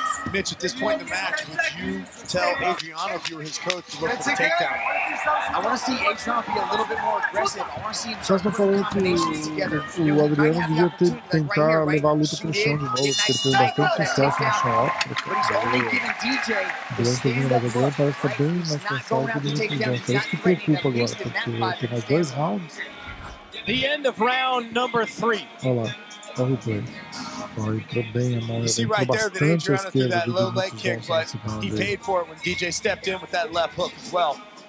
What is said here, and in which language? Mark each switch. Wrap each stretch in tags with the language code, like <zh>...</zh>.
<en>Mitch, at this point in the match, would you tell Adriano, if you were his coach, to look for the takedown? I want to see Adriano be a little bit more aggressive. I want to see him try to put combinations together.</en> <pt>Adriano devia tentar levar a luta para o chão de novo, porque ele teve bastante sucesso no chão.</pt> <en>But he's only giving DJ the stands up front, right? He's not going to have to take down. He's not ready to have to face him in that fight. The end of round number three.</en> <pt>Olha lá. Olha o replay. Oh, entrou bem, a mão.</pt> <en>You see right there that Adriano threw that low leg kick, but he paid for it when DJ stepped in with that left hook as well.</en>